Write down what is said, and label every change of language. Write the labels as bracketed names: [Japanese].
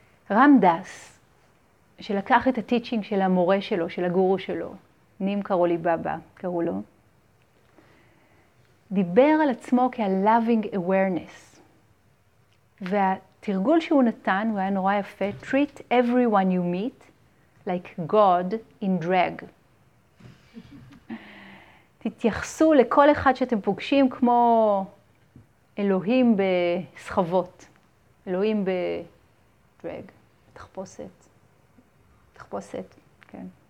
[Hebrew] רמדס, שלקח את הטיצ'ינג של המורה שלו, של הגורו שלו, נים קרולי בבא, קראו לו, דיבר על עצמו כ- [English] loving awareness. [Hebrew] והתרגול שהוא נתן, הוא היה נורא יפה, [English] treat everyone you meet like God in drag. [Hebrew] תתייחסו לכל אחד שאתם פוגשים כמו אלוהים בסחבות, אלוהים בדרג, תחפושת. תחפושת, כן.